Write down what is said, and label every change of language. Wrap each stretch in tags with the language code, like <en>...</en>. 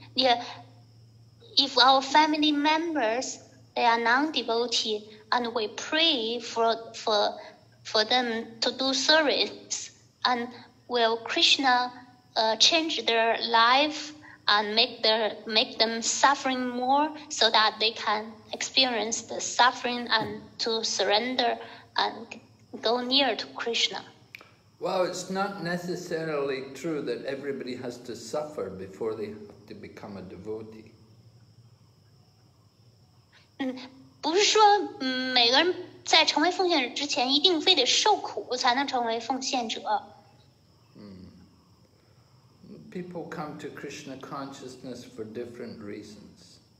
<en>Yeah, if our family members they are non-devotee and we pray for them to do service and will Krishna change their life and make them suffering more so that they can experience the suffering and to surrender and go near to Krishna. Well, it's not necessarily true that everybody has to suffer before they. To become a devotee.</en> <zh>不是说每个人在成为奉献者之前一定非得受苦才能成为奉献者。</zh> <en>People come to Krishna consciousness for different reasons.</en>